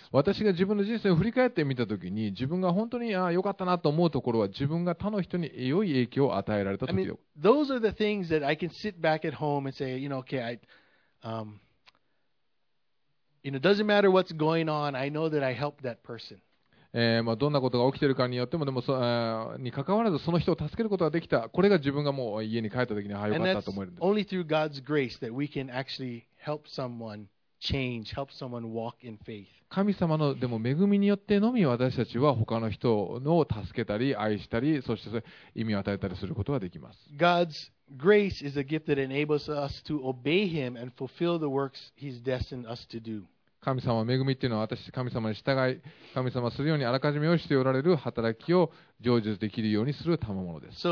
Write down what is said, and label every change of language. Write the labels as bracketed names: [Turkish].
[Japanese] 私が自分の人生を振り返ってみたときに、自分が本当に良かったなと思うところは、自分が他の人に良い影響を与えられたときよ。 [English] I mean, those are the things that I can sit back at home and say, you know, okay, it doesn't matter what's going on, I know that I helped that person. [Japanese] まあ、どんなことが起きているかによってもでもに関わらずその人を助けることができた、これが自分がもう家に帰った時にはよかったと思えるんです。 [English] Only through God's grace that we can actually help someone change, help someone walk in faith. [Japanese] 神様のでも恵みによってのみ私たちは他の人を助けたり愛したり、そして意味を与えたりすることができます。 [English] God's grace is a gift that enables us to obey Him and fulfill the works He's destined us to do. [Japanese] 神様の恵みっていうのは、私神様に従い、神様するようにあらかじめ用意しておられる働きを成就できるようにする賜物です。